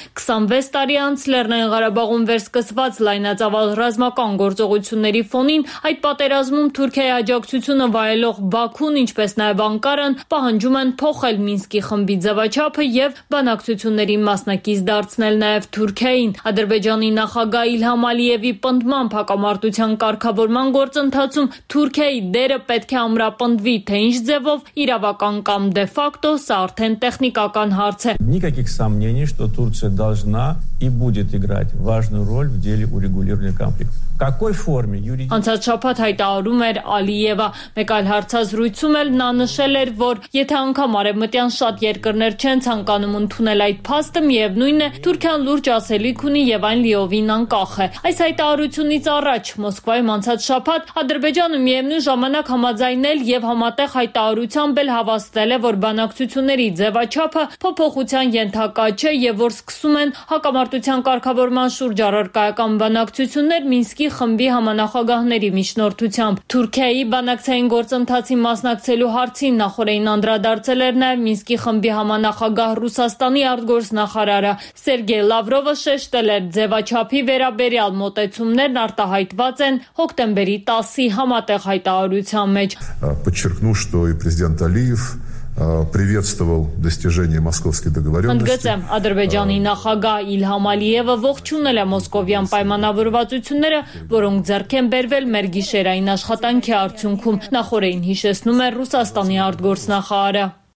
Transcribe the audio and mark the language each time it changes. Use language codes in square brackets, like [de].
[hy] 26 տարի անց Լեռնային Ղարաբաղում վերսկսված լայնածավալ ռազմական գործողությունների ֆոնին այդ պատերազմում Թուրքիայի աջակցությունը վայելող Բաքուն, ինչպես նաև Անկարան, պահանջում են փոխել Մինսկի խմբի ձևաչափը և բանակցությունների մասնակից դարձնել նաև Թուրքիային։ Ադրբեջանի նախագահ Իլհամ Ալիևի պնդմամբ հակամարտության կարգավորման գործընթացում Թուրքիայի դերը պետք է ամրապնդվի, թե ինչ ձևով, իրավական կամ դե ֆակտո, սա արդեն տեխնիկական հարց է։ [ru] Никаких сомнений, что Турция должна и будет играть важную роль в деле урегулирования конфликта. Какой форме юридически? [hy] Անցած շաբաթ հայտարարում էր Ալիևը, մեկ այլ հարցազրույցում էլ նա նշել էր, որ եթե անգամ արևմտյան շատ երկրներ չեն ցանկանում ընդունել այդ փաստը, միևնույնն է, Թուրքիան լուրջ ասելիք ունի եւ այն լիովին անկախ է։ Այս հայտարարությունից առաջ Մոսկվայում անցած շաբաթ Ադրբեջանը միևնույն ժամանակ համաձայնել եւ համատեղ հայտարարությամբ էլ հավաստել է, որ բանակցությունների ձևաչափը փոփոխության ենթակա չէ եւ որ սկսում են հակամարտության կարգավորման շուրջ առարկայական բանակցություններ Մինսկի խմբի համանախագահների միջնորդությամբ։ Թուրքիայի բանակցային գործընթացի մասնակցելու հարցին նախորդին անդրադարձել էր նաև Մինսկի խմբի համանախագահ Ռուսաստանի արտգործնախարարը Սերգեյ Լավրովը, շեշտել էր ձևաչափի վերաբերյալ մոտեցումներն արտահայտված են հոկտեմբերի 10-ի համատեղ հայտարարության մեջ։ [ru] Подчеркну, что и президент Алиев приветствовал достижение московской договоренности. [hy] Ադրբեջանի նախագահ Իլհամ Ալիևը ողջունել է մոսկովյան պայմանավորվածությունները, որոնք ձեռք են բերվել մեր գիշերային աշխատանքի արդյունքում, նախորդին հիշեցնում է Ռուսաստանի արտգործնախարարը։